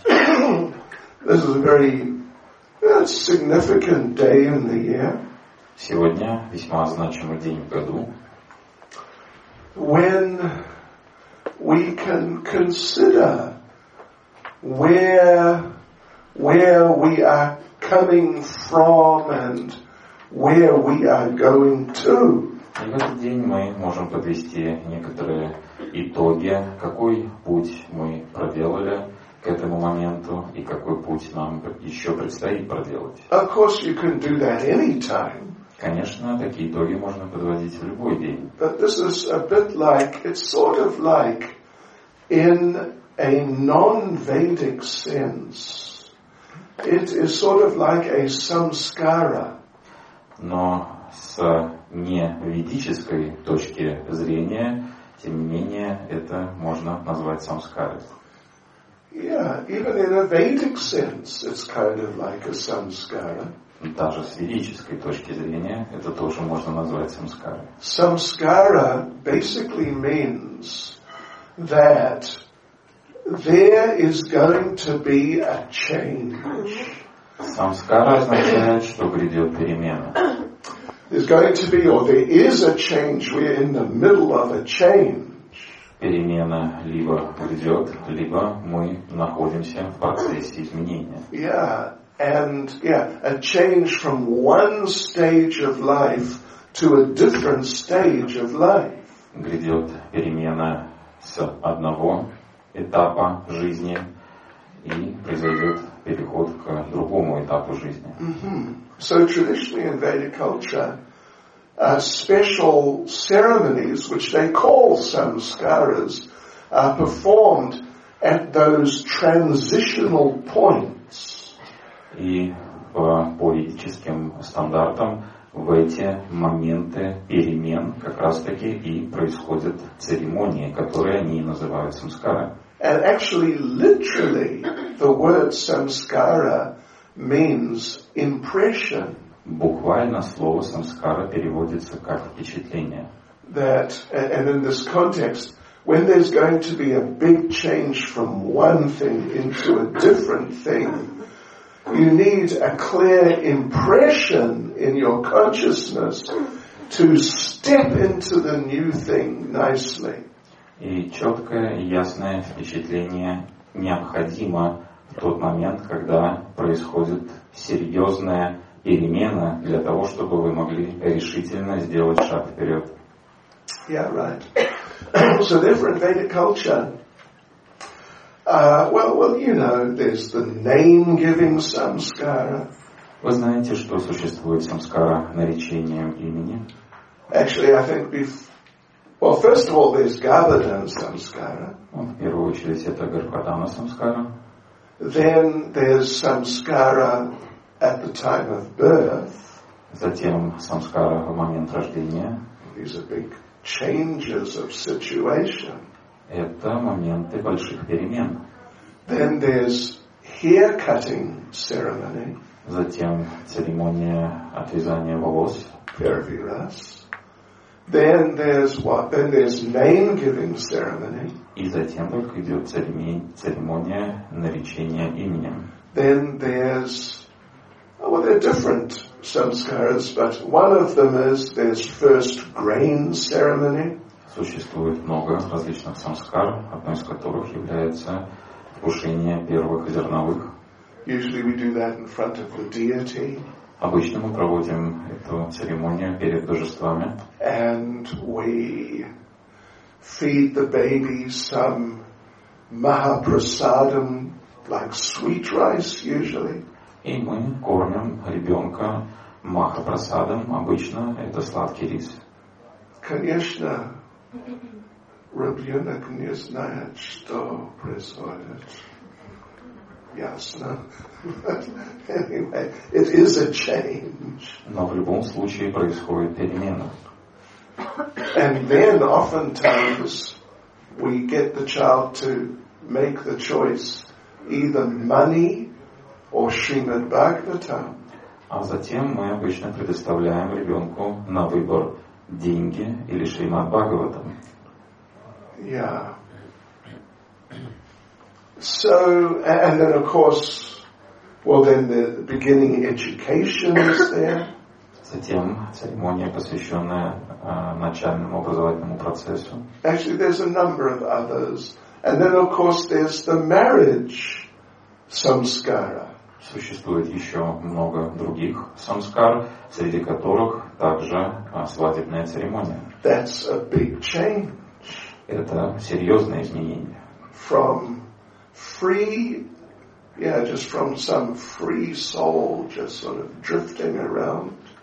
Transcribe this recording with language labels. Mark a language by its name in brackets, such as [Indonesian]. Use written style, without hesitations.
[English] This is a very significant day in the year. [Russian] Сегодня весьма значимый день в году. [English] When we can consider where we are coming from and where we are going to. [Russian] И в этот день мы можем подвести некоторые итоги, какой путь мы проделали к этому моменту и какой путь нам еще предстоит проделать. [English] Of course you can do that anytime. [Russian] Конечно, такие итоги можно подводить в любой день. [English] But this is a bit like, it's sort of like in a non-Vedic sense. It is sort of like a samskara. [Russian] Но с неведической точки зрения, тем не менее, это можно назвать самскарой. [English] Yeah, even in a Vedic sense, it's kind of like a samskara. [Russian] Даже с ведической точки зрения, это тоже можно назвать самскарой. [English] Samskara basically means that there is going to be a change. [Russian] Самскара означает, что грядет перемена. [English] There's going to be, or there is a change. We're in the middle of a change. [Russian] Перемена либо грядет, либо мы находимся в процессе изменения. [English] A change from one stage of life to a different stage of life. [Russian] Грядет перемена с одного этапа жизни и произойдет переход к другому этапу жизни. [English] So traditionally in Vedic culture, special ceremonies, which they call samskaras, are performed at those transitional points. [Russian] И по ведическим стандартам в эти моменты перемен как раз-таки и происходят церемонии, которые они и называют самскара. [English] And actually, literally, the word samskara means impression. [Russian] Буквально слово самскара переводится как впечатление. [English] That, and in this context, when there's going to be a big change from one thing into a different thing, you need a clear impression in your consciousness to step into the new thing nicely. [Russian] И четкое и ясное впечатление необходимо в тот момент, когда происходит серьезная перемена для того, чтобы вы могли решительно сделать шаг вперед. [English] Yeah, right. So therefore, Vedic culture. Well, you know, there's the name-giving samskara. [Russian] Вы знаете, что существует самскара наречением имени? [English] Actually, I think well, first of all, there's Garbhadana samskara. [Russian] Ну, в первую очередь, это Гарбхадана самскара. [English] Then there's samskara at the time of birth. [Russian] Затем самскара в момент рождения. [English] These are big changes of situation. [Russian] Это моменты больших перемен. [English] Then there's hair cutting ceremony. [Russian] Затем церемония отрезания волос. [English] Первирас. Then there's what? Then there's name giving ceremony. [Russian] И затем только идет церемония наречения именем. [English] Then there's well, there are different samskaras, but one of them is there's first grain ceremony. [Russian] Существует много различных самскар, одной из которых является вкушение первых зерновых. [English] Usually we do that in front of the deity. [Russian] Обычно мы проводим эту церемонию перед божествами. [English] And we feed the baby some mahaprasadam, like sweet rice, usually. [Russian] И мы кормим ребенка махапрасадом, обычно это сладкий рис. Конечно, ребенок не знает, что происходит. Ясно. [English] Anyway, it is a change. [Russian] Но в любом случае происходит перемена. [English] And then oftentimes we get the child to make the choice either money or Srimad Bhagavatam. [Russian] А затем мы обычно предоставляем ребенку на выбор деньги или Шримад Бхагаватам. [English] Yeah. So, and then of course, well then the beginning education is there. [Russian] Затем церемония, посвященная начальному образовательному процессу. [English] Actually, there's a number of others. And then of course there's the marriage samskara. [Russian] Существует еще много других самскар, среди которых также свадебная церемония. [English] That's a big change. [Russian] Это серьезное изменение. [English] From free, yeah, just from some free soul just sort of drifting around.